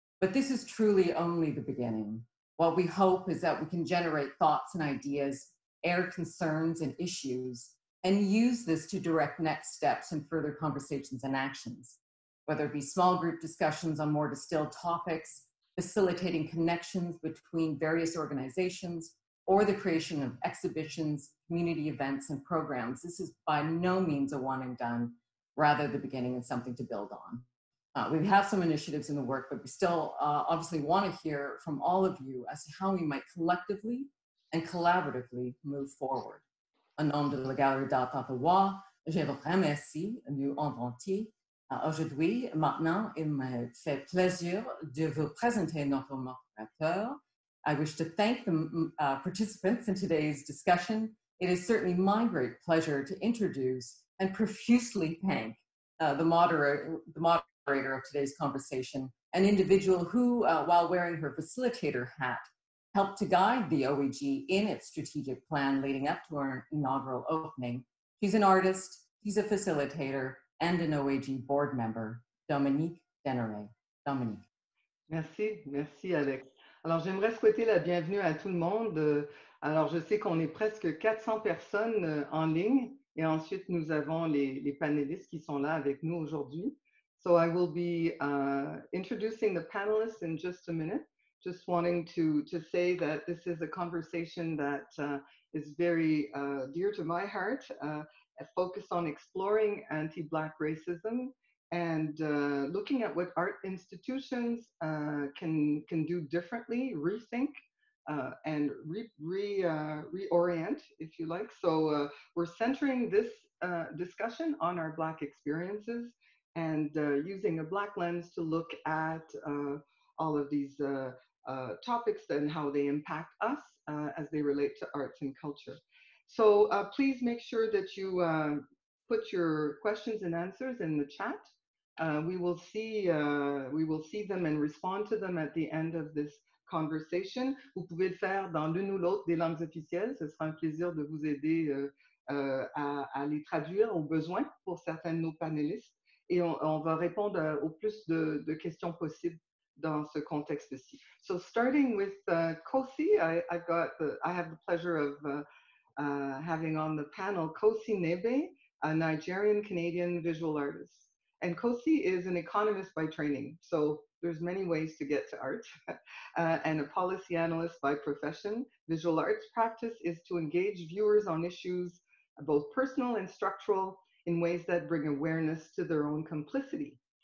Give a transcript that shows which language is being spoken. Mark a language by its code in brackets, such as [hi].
[en] But this is truly only the beginning. What we hope is that we can generate thoughts and ideas, air concerns and issues, and use this to direct next steps and further conversations and actions, whether it be small group discussions on more distilled topics, facilitating connections between various organizations, or the creation of exhibitions, community events, and programs. This is by no means a one and done, rather the beginning and something to build on. We have some initiatives in the work, but we still obviously want to hear from all of you as to how we might collectively and collaboratively move forward. [fr] Au nom de la Galerie d'Art Ottawa, je vous remercie de nous inviter aujourd'hui. Maintenant, il me fait plaisir de vous présenter notre moderateur. [en] I wish to thank the participants in today's discussion. It is certainly my great pleasure to introduce and profusely thank the moderator of today's conversation, an individual who, while wearing her facilitator hat, helped to guide the OEG in its strategic plan leading up to our inaugural opening. She's an artist, she's a facilitator, and an OEG board member, Dominique Denneret. Dominique. [fr] Merci, merci Alex. Alors j'aimerais souhaiter la bienvenue à tout le monde. Alors je sais qu'on est presque 400 personnes en ligne, et ensuite nous avons les panélistes qui sont là avec nous aujourd'hui. [en] So I will be introducing the panelists in just a minute. Just wanting to say that this is a conversation that is very dear to my heart, focused on exploring anti-Black racism and looking at what art institutions can do differently, rethink and reorient, if you like. So we're centering this discussion on our Black experiences and using a Black lens to look at all of these topics and how they impact us as they relate to arts and culture. So please make sure that you put your questions and answers in the chat. We will see them and respond to them at the end of this conversation. [fr] Vous pouvez le faire dans l'une ou l'autre des langues officielles. Ce sera un plaisir de vous aider à les traduire au besoin pour certains de nos panélistes. Et on va répondre au plus de questions possibles dans ce contexte-ci. [en] So starting with Kosi, I have the pleasure of having on the panel Kosi Nebe, a Nigerian-Canadian visual artist. And Kosi is an economist by training, so there's many ways to get to art. And a policy analyst by profession, visual arts practice is to engage viewers on issues, both personal and structural, in ways that bring awareness to their own complicity.